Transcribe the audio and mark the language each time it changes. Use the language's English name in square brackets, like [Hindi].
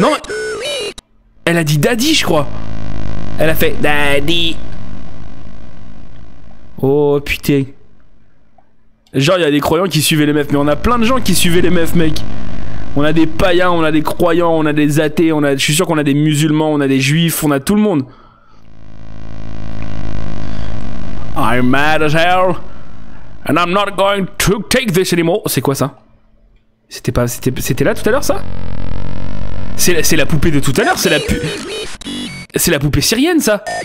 [French] non! Elle a dit daddy, je crois. Elle a fait daddy. Oh, putain. Genre, y'a des croyants qui suivaient les meufs, mais on a plein de gens qui suivaient les meufs, mec. On a des païens, on a des croyants, on a des athées, je suis sûr qu'on a des musulmans, on a des juifs, on a tout le monde. [English] I'm mad as hell, and I'm not going to take this anymore. [French] C'est quoi ça? C'était là tout à l'heure ça? C'est la poupée de tout à l'heure, c'est la poupée syrienne ça.